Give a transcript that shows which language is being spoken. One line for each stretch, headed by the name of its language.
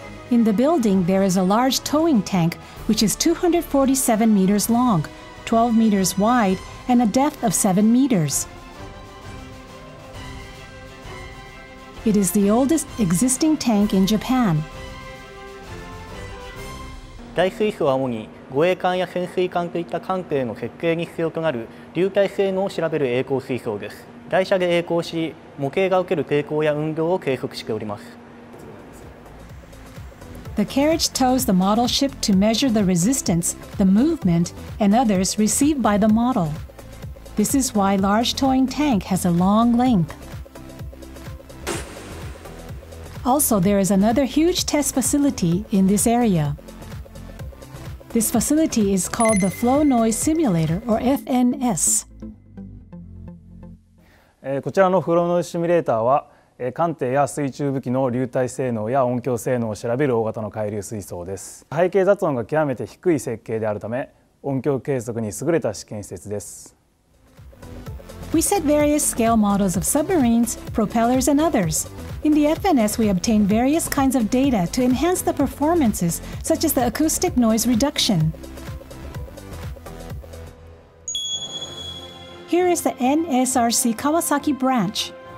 English: In the building, there is a large towing tank, which is 247 meters long, 12 meters wide, and a depth of 7 meters. It is the oldest existing tank in Japan.
Japanese: 大水槽は主に護衛艦や潜水艦といった艦艇の設計に必要となる流体性能を調べる曳航水槽です。台車で曳航し、模型が受ける抵抗や運動を計測しております。
English: The carriage tows the model ship to measure the resistance, the movement, and others received by the model. This is why large towing tank has a long length. Also, there is another huge test facility in this area. This facility is called the Flow Noise Simulator, or FNS.
Japanese: こちらのフローノイズシミュレーターは 艦艇や水中武器の流体性能や音響性能を調べる大型の海流水槽です。背景雑音が極めて低い設計であるため、音響計測に優れた試験施設です。We
English: set various scale models of submarines, propellers, and others. In the FNS, we obtain various kinds of data to enhance the performances, such as the acoustic noise reduction. Here is the NSRC Kawasaki branch.